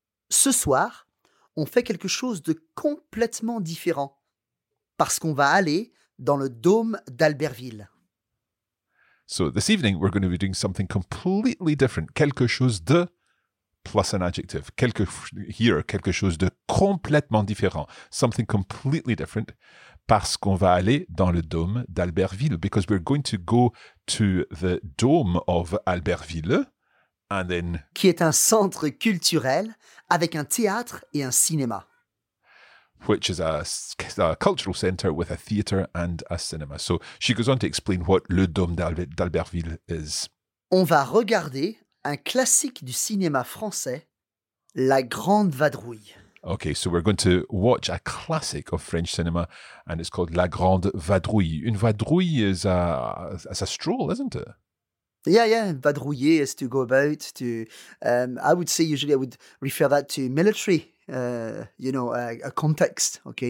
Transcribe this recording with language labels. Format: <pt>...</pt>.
<fr>Ce soir, on fait quelque chose de complètement différent, parce qu'on va aller dans le dôme d'Albertville.</fr> <en>So, this evening, we're going to be doing something completely different.</en> <fr>Quelque chose de,</fr> <en>plus an adjective.</en> <fr>Quelque chose de complètement différent.</fr> <en>Something completely different.</en> <fr>Parce qu'on va aller dans le dôme d'Albertville.</fr> <en>Because we're going to go to the dome of Albertville. And then...</en> <fr>Qui est un centre culturel avec un théâtre et un cinéma.</fr> <en>Which is a cultural centre with a theatre and a cinema. So she goes on to explain what le dôme d'Albertville is.</en> <fr>On va regarder un classique du cinéma français, La Grande Vadrouille.</fr> <en>Okay, so we're going to watch a classic of French cinema, and it's called La Grande Vadrouille. Une vadrouille is a stroll, isn't it? Yeah, vadrouiller is to go about, to... I would refer that to military, a context, okay?</en>